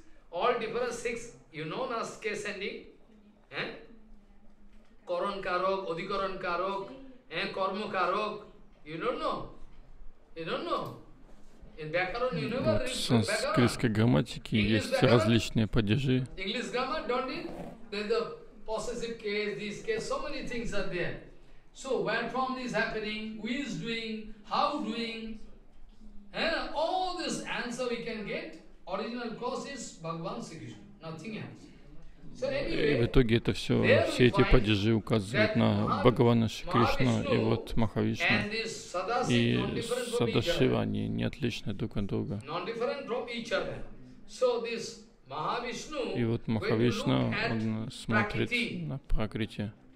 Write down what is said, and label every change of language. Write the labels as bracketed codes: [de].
[en] All different six, you know, Naske Sandi, Koran Karok, Odhikaran Karok, Karma Karok, you don't know. In Vyakaran, you never read Vyakaran. [ru] В санскритской грамматике есть различные падежи. [en] English grammar, don't it? There's the possessive case, this case, so many things are there. So, where from this happening, who is doing, how doing, all this answer we can get. [ru] И в итоге это все эти падежи указывают на Бхагавана Шри Кришну и вот Махавишну и Садашива, они не отличны друг от друга. И вот Махавишна, он смотрит на Пракрити.